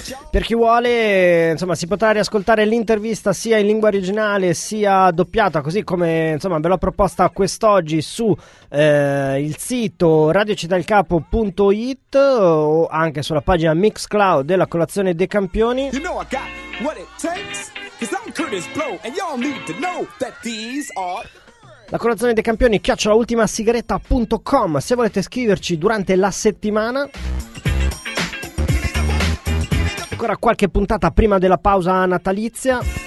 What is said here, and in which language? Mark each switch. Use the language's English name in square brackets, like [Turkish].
[Italian] Per chi vuole, insomma, si potrà riascoltare l'intervista sia in lingua originale sia doppiata, così come, insomma, ve l'ho proposta quest'oggi su il sito radiocitalcapo.it o anche sulla pagina Mixcloud della colazione dei campioni. [English] You know I got what it takes, 'cause I'm Curtis Blow, and y'all need to know that these are... [Italian] La colazione dei campioni @ultimasigaretta.com, se volete scriverci durante la settimana. Ancora qualche puntata prima della pausa natalizia.